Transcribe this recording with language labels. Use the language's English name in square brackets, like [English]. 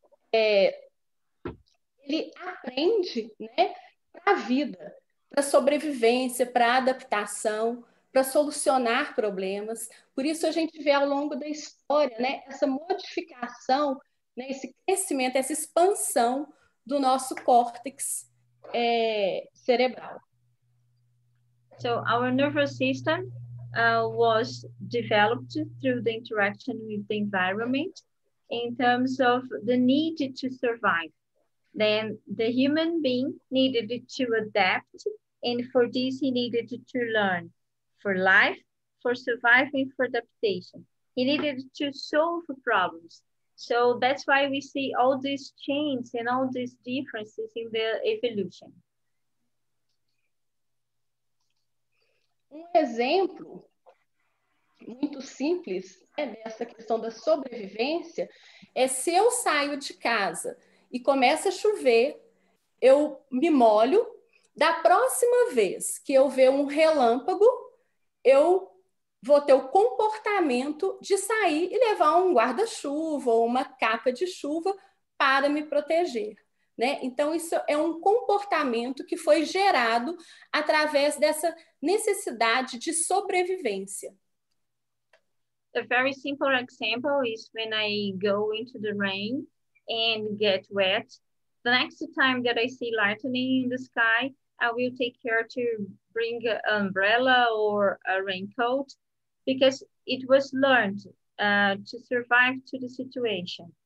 [Portuguese] Ele aprende, né, para a vida, para sobrevivência, para adaptação, para solucionar problemas. Por isso a gente vê ao longo da história, né, essa modificação né, esse crescimento, essa expansão do nosso córtex cerebral. [English] So our nervous system was developed through the interaction with the environment in terms of the need to survive. Then the human being needed to adapt, and for this he needed to learn for life, for surviving, for adaptation. He needed to solve problems. So that's why we see all these changes and all these differences in the evolution. [Portuguese] Um exemplo muito simples é dessa questão da sobrevivência. É se eu saio de casa e começa a chover, eu me molho. Da próxima vez que eu ver um relâmpago, eu vou ter o comportamento de sair e levar um guarda-chuva ou uma capa de chuva para me proteger. Né? Então, isso é um comportamento que foi gerado através dessa necessidade de sobrevivência. [English] A very simple example is when I go into the rain and get wet. The next time that I see lightning in the sky, I will take care to bring an umbrella or a raincoat, because it was learned to survive to the situation.